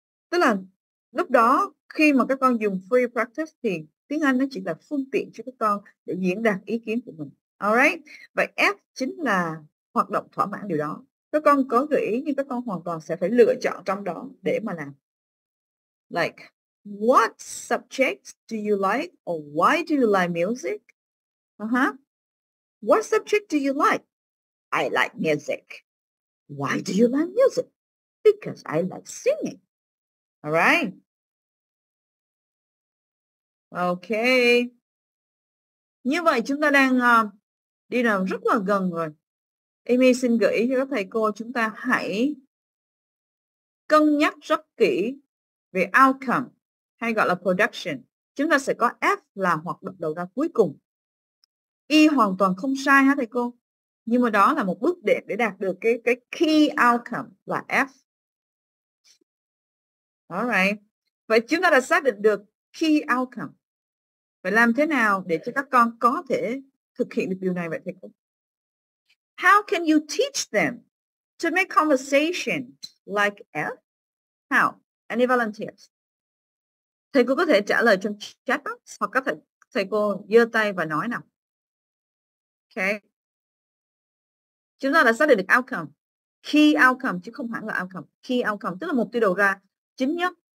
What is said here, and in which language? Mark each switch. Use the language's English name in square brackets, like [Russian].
[Vietnamese] Tức là lúc đó khi mà các con dùng free practice thì tiếng Anh nó chỉ là phương tiện cho các con để diễn đạt ý kiến của mình. Alright. Vậy F chính là hoạt động thỏa mãn điều đó. Các con có gợi ý nhưng các con hoàn toàn sẽ phải lựa chọn trong đó để mà làm. [English] Like, what subjects do you like or why do you like music? What subject do you like? I like music. Why do you like music? Because I like singing. All right. Okay. [Vietnamese] Như vậy chúng ta đang đi làm rất là gần rồi. Amy xin gợi ý cho các thầy cô chúng ta hãy cân nhắc rất kỹ về outcome hay gọi là production. Chúng ta sẽ có F là hoạt động đầu ra cuối cùng. E hoàn toàn không sai hả thầy cô? Nhưng mà đó là một bước đệm để đạt được cái key outcome là F. Alright. Vậy chúng ta đã xác định được key outcome. Vậy làm thế nào để cho các con có thể thực hiện được điều này vậy thầy cô? [English] How can you teach them to make conversation like F? How? Any volunteers? [Vietnamese] Thầy cô có thể trả lời trong chat box hoặc các thầy cô giơ tay và nói nào. Okay. chúng ta đã xác định được outcome, key outcome chứ không hẳn là outcome, key outcome tức là mục tiêu đầu ra chính nhất.